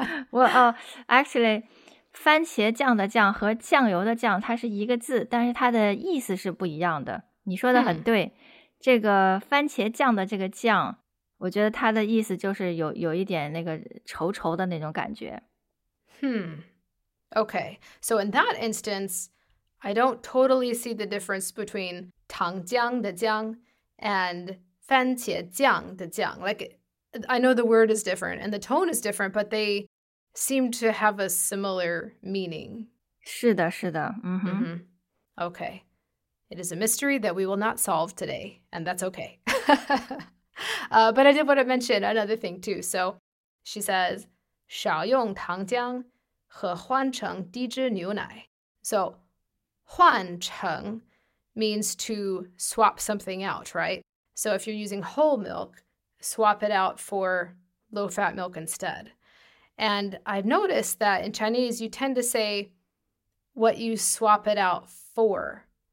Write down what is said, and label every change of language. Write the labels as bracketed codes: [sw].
[zh] 我看， [en] actually, [zh] 番茄酱的酱和酱油的酱 它是一个字, 但是它的意思是不一样的 你说的很对, 这个番茄酱的这个酱 我觉得它的意思就是有一点那个稠稠的那种感觉 [en] Hmm, okay, so in that instance, I don't totally see the difference between [zh] 糖浆的浆 [en] and [zh] 番茄酱的酱, [en] like, I know the word is different and the tone is different, but they seem to have a similar meaning. [zh] 是的,是的, mm-hmm. Mm-hmm. [en] Okay, it is a mystery that we will not solve today, and that's okay. but I did want to mention another thing too. So she says, [zh] 少用糖浆和换成低脂牛奶. [en] So 换成 means to swap something out, right? So if you're using whole milk, swap it out for low-fat milk instead. And I've noticed that in Chinese, you tend to say what you swap it out for.